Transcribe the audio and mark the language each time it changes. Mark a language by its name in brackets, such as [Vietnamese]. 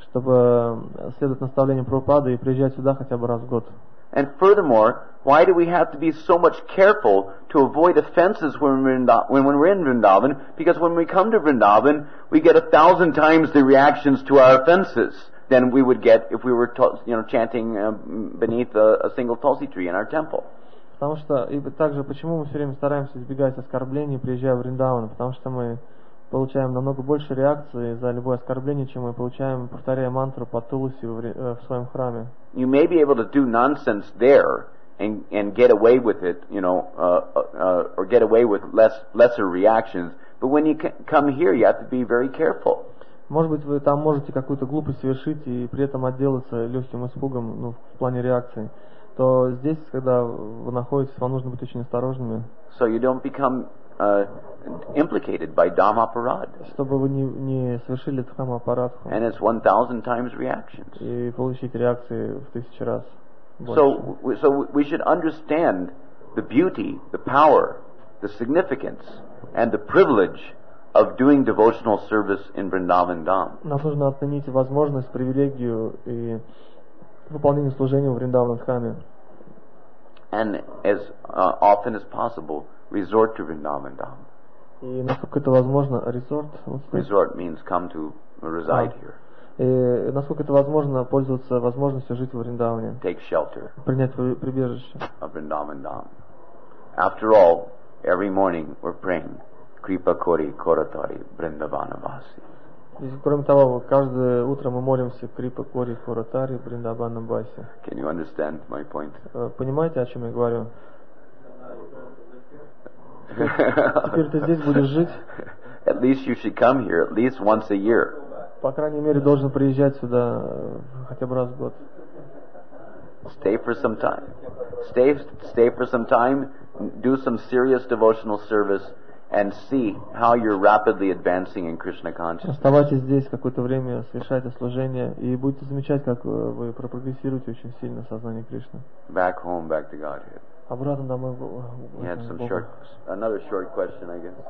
[Russian] Чтобы следовать наставлениям Прабхупады и приезжать сюда хотя бы раз в год. [English] And furthermore, why do we have to be so much careful to avoid offenses when we're in Vrindavan? Because when we come to Vrindavan, we get 1,000 times the reactions to our offenses than we would get if we were, you know, chanting beneath a single tulsi tree in our temple. [Russian] Потому что и также почему мы все время стараемся избегать оскорблений, приезжая в Вриндаван, потому что мы получаем намного больше реакции за любое оскорбление, чем мы получаем, повторяя мантру по тулуси в своем храме. [English] You may be able to do nonsense there and get away with it, you know, or get away with lesser reactions. But when you come here, you have to be very careful. [Russian] Может быть, вы там можете какую-то глупость совершить и при этом отделаться легким испугом, ну, в плане реакции. То здесь, когда вы находитесь, вам нужно быть очень осторожными. [English] So you don't become implicated by dhamma parad. [Russian] Чтобы вы не совершили dhamma parad. [English] And it's 1,000 times reactions. [Russian] И получить реакции в тысячу раз. [English] So we should understand the beauty, the power, the significance, and the privilege of doing devotional service in Vrindavan Dham. [Russian] Нам нужно оценить возможность, привилегию и выполнение служения в Вриндаван Дхаме. [English] And as often as possible, resort to Vrindavan Dham. [Russian] И насколько это возможно, resort. [English] Resort means come to reside here. [Russian] И насколько это возможно, пользоваться возможностью жить в Вриндаване. [English] Take shelter. [Russian] Принять прибежище. [English] Of Vrindavan Dham. After all, every morning we're praying, Kripa Kori Koratari Vrindavana Vasi. [Russian] Кроме того, каждое утро мы молимся Крипа Кори Коратари Бриндабана Баси. [English] Can you understand my point? [Russian] Понимаете, о чем я говорю? Теперь ты здесь будешь жить? [English] At least you should come here at least once a year. [Russian] По крайней мере, должен приезжать сюда хотя бы раз в год. [English] Stay for some time. Stay for some time. Do some serious devotional service. And see how you're rapidly advancing in Krishna consciousness. [Russian] Оставайтесь здесь какое-то время, совершайте служение, и будете замечать, как вы пропрогрессируете очень сильно сознание Кришны. [English] Back home, back to Godhead. [Russian] Обратно домой. [English] You had some short, another short question, I guess.